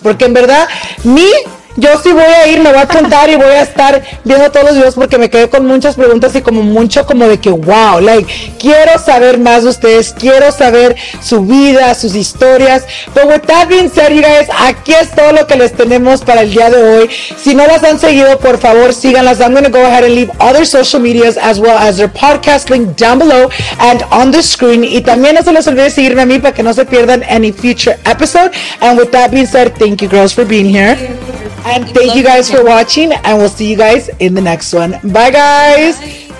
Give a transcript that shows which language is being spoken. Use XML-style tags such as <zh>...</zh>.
<es>Porque en verdad, yo sí voy a ir, me voy a contar y voy a estar viendo todos los videos, porque me quedé con muchas preguntas y como mucho como de que, wow, like, quiero saber más de ustedes, quiero saber su vida, sus historias.</es> <en>But with that being said, you guys,</en> <es>aquí es todo lo que les tenemos para el día de hoy. Si no las han seguido, por favor, síganlas.</es> <en>I'm going to go ahead and leave other social medias as well as their podcast link down below and on the screen.</en> <es>Y también no se les olvide seguirme a mí para que no se pierdan</es> <en>any future episode. And with that being said, thank you girls for being here. And thank you guys for watching, and we'll see you guys in the next one. Bye, guys. Bye.</en>